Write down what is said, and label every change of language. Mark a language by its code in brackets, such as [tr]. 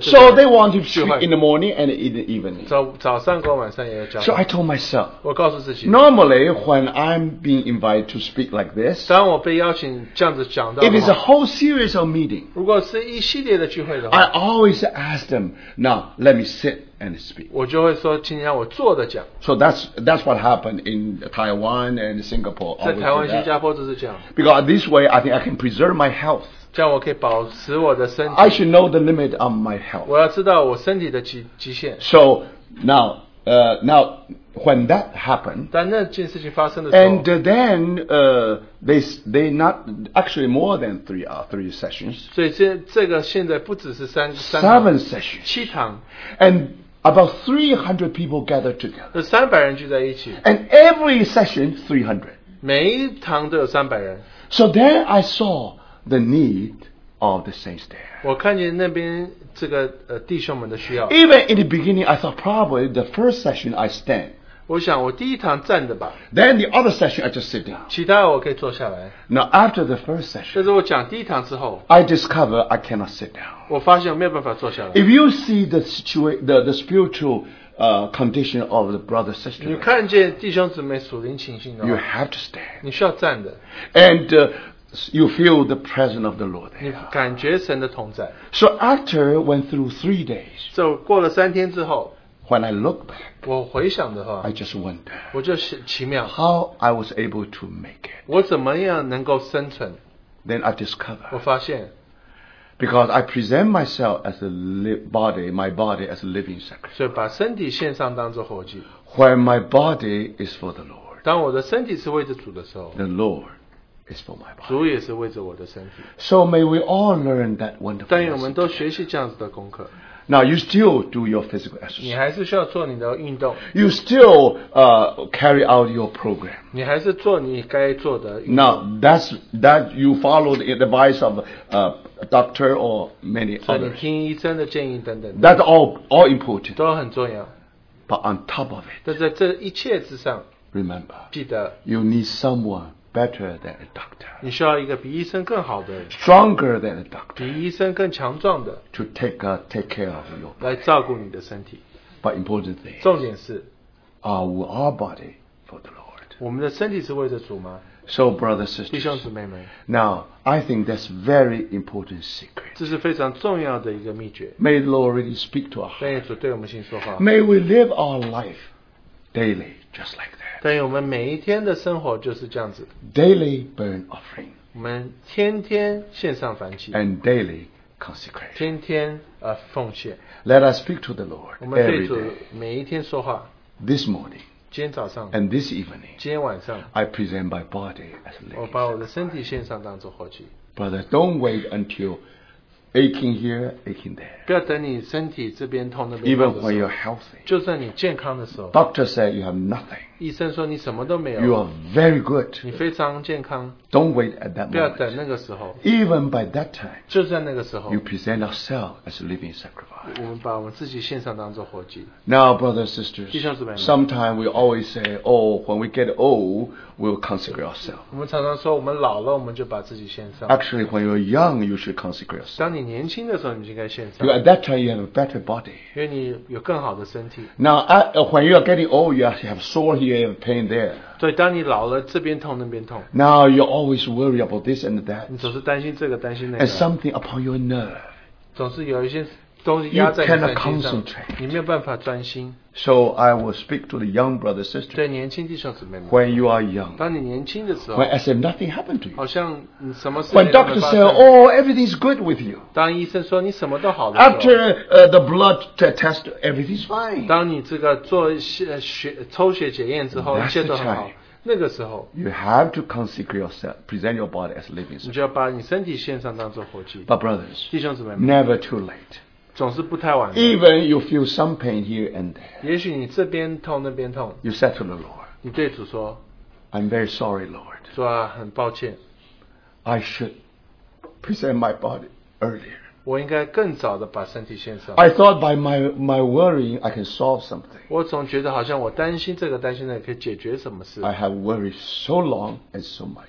[en] so they want to treat in the morning and in the evening. [zh] 早上跟晚上也要讲, [en] so I told myself, [zh] 我告诉自己, [en] normally when I'm being invited to speak like this, [zh] 当我被邀请这样子讲到的话, [en] if it's a whole series of meetings, [zh] 如果是一系列的聚会的话, [en] I always ask them, now let me sit and speak. [zh] 我就会说, [en] so that's what happened in Taiwan and Singapore. [zh] 在台湾新加坡就是这样, [en] because this way I think I can preserve my health. I should know the limit of my health. [zh] 我要知道我身体的极限. [en] So now when that happened, [zh] 但那件事情发生的时候, [en] and then they not actually more than three sessions. [zh] 所以这个现在不只是三, [en] seven sessions, [zh] 七堂, [en] and about 300 people gathered together. [zh] 300人聚在一起, [en] and every session 300. [zh] 每一堂都有300人. [en] So then I saw the need of the saints there. [zh] 我看见那边这个弟兄们的需要. [en] Even in the beginning, I thought probably the first session I stand. [zh] 我想我第一堂站着吧. [en] Then the other session I just sit down. [zh] 其他我可以坐下来. [en] Now after the first session, [zh] 这是我讲第一堂之后, [en] I discover I cannot sit down. [zh] 我发现我没有办法坐下来. [en] If you see the spiritual condition of the brother sister, [zh] 你看见弟兄姊妹属灵情形的话, [en] you have to stand. [zh] 你需要站着. [en] And you feel the presence of the Lord there. [zh] 你感觉神的同在. [en] So after went through 3 days, [zh] 就过了3天之后, [en] when I look back, [zh] 我回想的话, [en] I just wonder, [zh] 我就奇妙, [en] how I was able to make it. [zh] 我怎么样能够生存? [en] Then I discover, [zh] 我发现, [en] because I present myself as a body, my body as a living sacrifice. [zh] 所以把身体献上当作活祭, [en] when my body is for the Lord, [zh] 当我的身体是为着主的时候, [en] the Lord is for my body. [zh] 主也是为着我的身体. [en] So may we all learn that wonderful lesson. [zh] 但愿我们都学习这样子的功课. [en] Now you still do your physical exercise. [zh] 你还是需要做你的运动. [en] You still carry out your program. [zh] 你还是做你该做的运动. [en] Now that you follow the advice of a doctor or many others. [zh] 所以你听医生的建议等等. [en] That's all important. [zh] 都很重要. [en] But on top of it, [zh] 但在这一切之上, [en] remember, [zh] 记得, [en] you need someone better than a doctor. [zh] 你需要一个比医生更好的人, [en] stronger than a doctor. [zh] 比医生更强壮的, [en] to take care of your body, [zh] 来照顾你的身体. [en] But important thing, [zh] 重点是, [en] are our body for the Lord? [zh] 我们的身体是为着主吗? [en] So brothers, sisters, [zh] 弟兄姊妹们, [en] now I think that's very important secret. [zh] 这是非常重要的一个秘诀. [en] May the Lord really speak to our heart. [zh] 主对我们心说话. [en] May we live our life daily just like that. [zh] 对我们每一天的生活就是这样子. [en] Daily burn offering. [zh] 我们天天献上燔祭. [en] And daily consecration. [zh] 天天, 奉献. [en] Let us speak to the Lord every day. [zh] 我们对主每一天说话. [en] This morning. [zh] 今天早上. [en] And this evening. [zh] 今天晚上. [en] I present my body as a living. [zh] 我把我的身体献上当作活祭. [en] Brother, don't wait until aching here, aching there. [zh] 不要等你身体这边痛那边痛的时候, [en] even when you're healthy, [zh] 就算你健康的时候, [en] doctor said you have nothing, [zh] 医生说你什么都没有, [en] you are very good, [zh] 你非常健康, [en] don't wait at that moment. [zh] 不要等那个时候, [en] even by that time, [zh] 就算那个时候, [en] you present yourself as a living sacrifice. [zh] 我们把我们自己献上当作活祭. [en] Now, brothers and sisters, [zh] 弟兄姊妹们, [en] sometimes we always say, oh, when we get old, we'll consecrate ourselves. [zh] 我们常常说我们老了我们就把自己献上. [en] Actually, when you're young, you should consecrate yourself. [zh] 当你年轻的时候你就应该献上. [en] Because at that time you have a better body. [zh] 因为你有更好的身体. [en] Now, when you are getting old, you actually have sore here, you have pain there. [zh] 对,当你老了,这边痛,那边痛. [en] Now, you always worry about this and that. [zh] 你总是担心这个,担心那个. [en] And something upon your nerve. [zh] 总是有一些东西压在你身体上, [en] you cannot concentrate. [zh] 你没有办法专心. [en] So I will speak to the young brother, sister. [zh] 对年轻弟兄姊妹们, [en] when you are young, [zh] 当你年轻的时候, [en] when as if nothing happened to you, [zh] 好像什么事情都没发生, [en] when doctor said, oh, everything is good with you, [zh] 当医生说你什么都好的时候, [en] after the blood test, everything is fine, [zh] 当你这个做血抽血检验之后, 一切都很好, 那个时候, [en] you have to consecrate yourself, present your body as a living sacrifice. [zh] 你就要把你身体献上当作活祭. [en] But brothers, [zh] 弟兄姊妹们, [en] never too late. [zh] 总是不太晚, [en] even you feel some pain here and there, [zh] 也许你这边痛那边痛, [en] you said to the Lord, [zh] 你对主说, [en] I'm very sorry, Lord. [zh] 主啊,很抱歉, [en] I should present my body earlier. [zh] 我应该更早地把身体献上, [en] I thought by my worrying I can solve something. [zh] 我总觉得好像我担心这个担心那个可以解决什么事。 [en] I have worried so long and so much.